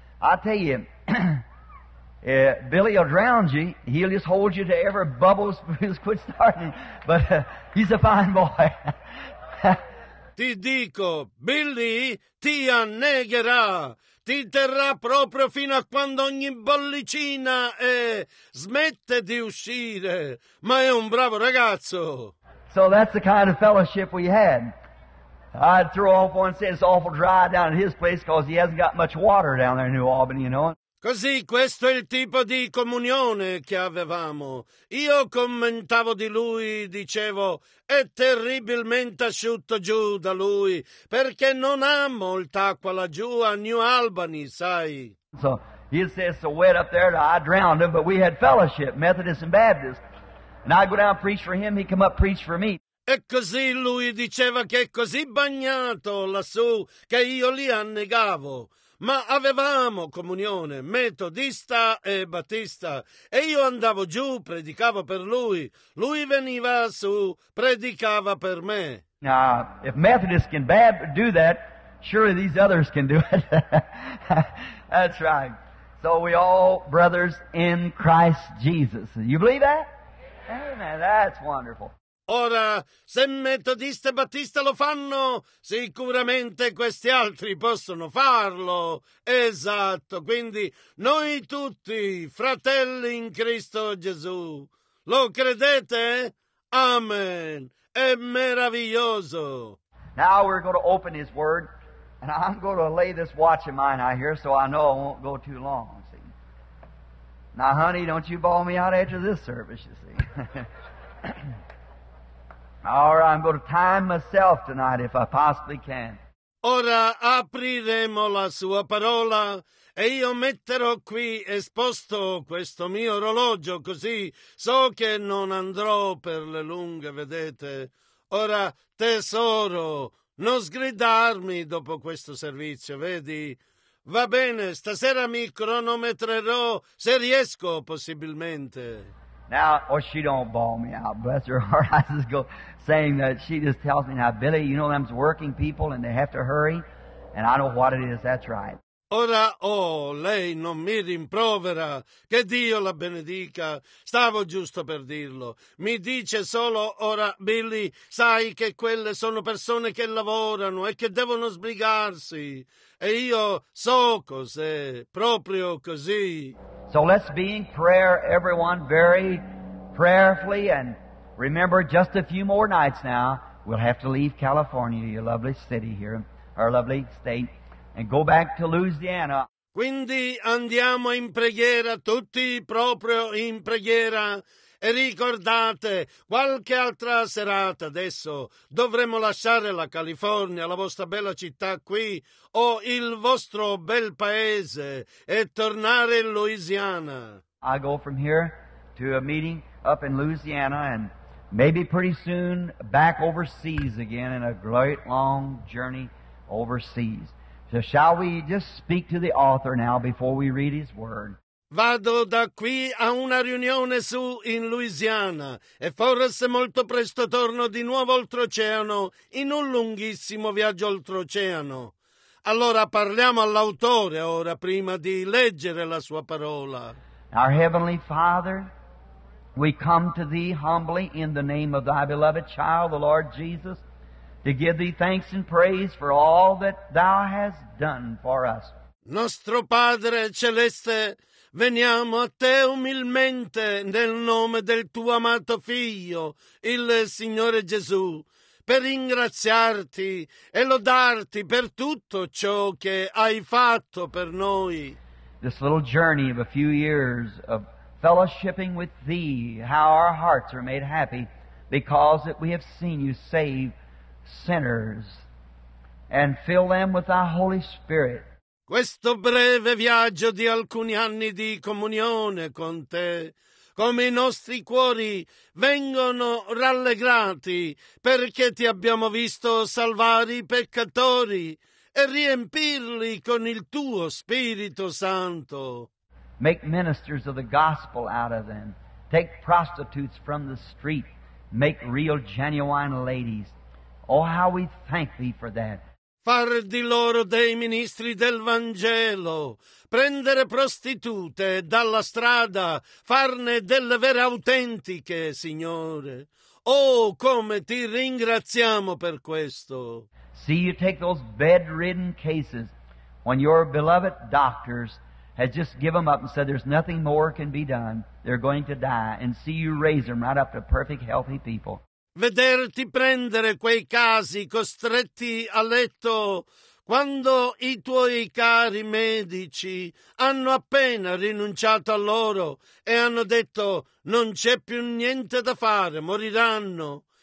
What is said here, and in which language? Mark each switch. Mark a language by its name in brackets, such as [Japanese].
[English] I tell you, Billy will drown you, he'll just hold you to every bubble is quit starting, but he's a fine boy. [Italian] Ti dico, Billy ti annegherà, ti terrà proprio fino a quando ogni bollicina smette di uscire, ma è un bravo ragazzo. [English] So that's the kind of fellowship we had. I'd throw off one and say it's awful dry down at his place because he hasn't got much water down there in New Albany, you know. [Italian] Così, questo è il tipo di comunione che avevamo. Io commentavo di lui, dicevo, è terribilmente asciutto giù da lui, perché non ha molta acqua laggiù a New Albany, sai. [English] So, he says so wet up there that I drowned him, but we had fellowship, Methodist and Baptist. And I go down and preach for him, he come up and preach for me. [Italian] E così lui diceva che è così bagnato lassù che io li annegavo. Ma avevamo comunione, metodista e battista, e io andavo giù, predicavo per lui, lui veniva su, predicava per me. [English] Now, if Methodists can do that, surely these others can do it. That's right. So we all brothers in Christ Jesus. You believe that? Amen. That's wonderful. [Italian] Ora, se metodista e battista lo fanno, sicuramente questi altri possono farlo. Esatto, quindi noi tutti, fratelli in Cristo Gesù, lo credete? Amen. È meraviglioso. [English] Now we're going to open his word, and I'm going to lay this watch of mine out here so I know I won't go too long, see. Now, honey, don't you bawl me out after this service, you see. All right, I'm going to time myself tonight if I possibly can. [Italian] Ora apriremo la sua parola e io metterò qui esposto questo mio orologio così so che non andrò per le lunghe, vedete. Ora, tesoro, non sgridarmi dopo questo servizio, vedi? Va bene, stasera mi cronometrerò se riesco possibilmente. [English] Now, oh, she don't bawl me out, bless her heart. I just go saying that she just tells me, now, Billy, you know them's working people and they have to hurry, and I know what it is, that's right. [Italian] Ora, oh, lei non mi rimprovera, che Dio la benedica, stavo giusto per dirlo. Mi dice solo, ora, Billy, sai che quelle sono persone che lavorano e che devono sbrigarsi, e io so cos'è, proprio così. [English] So let's be in prayer, everyone, very prayerfully, and remember just a few more nights now, We'll have to leave California, your lovely city here, our lovely state, and go back to Louisiana. [Italian] Quindi andiamo in preghiera, tutti proprio in preghiera. E ricordate, qualche altra serata adesso dovremo lasciare la California, la vostra bella città qui, o il vostro bel paese, e tornare in Louisiana. [English] I go from here to a meeting up in Louisiana and maybe pretty soon back overseas again in a great long journey overseas. So shall we just speak to the author now before we read his word? [Italian] Vado da qui a una riunione su in Louisiana e forse molto presto torno di nuovo oltreoceano in un lunghissimo viaggio oltreoceano. Allora parliamo all'autore ora prima di leggere la sua parola. [English] Our Heavenly Father, we come to Thee humbly in the name of Thy beloved child, the Lord Jesus, to give Thee thanks and praise for all that Thou hast done for us. [Italian] Nostro Padre Celeste, veniamo a Te umilmente nel nome del Tuo amato Figlio, il Signore Gesù, per ringraziarti e lodarti per tutto ciò che hai fatto per noi. [English] This little journey of a few years of fellowshipping with Thee, how our hearts are made happy because that we have seen You save sinners and fill them with Thy Holy Spirit. [Italian] Questo breve viaggio di alcuni anni di comunione con Te, come i nostri cuori vengono rallegrati perché Ti abbiamo visto salvare i peccatori e riempirli con il Tuo Spirito Santo. [English] Make ministers of the gospel out of them. Take prostitutes from the street. Make real genuine ladies. Oh, how we thank Thee for that. [Italian] Far di loro dei ministri del Vangelo. Prendere prostitute dalla strada. Farne delle vere autentiche, Signore. Oh, come Ti ringraziamo per questo. [English] See, You take those bedridden cases when Your beloved doctors has just given them up and said there's nothing more can be done. They're going to die. And see, You raise them right up to perfect, healthy people. [Italian] Vederti prendere quei casi costretti a letto quando I Tuoi cari medici hanno appena rinunciato a loro e hanno detto non c'è più niente da fare, moriranno.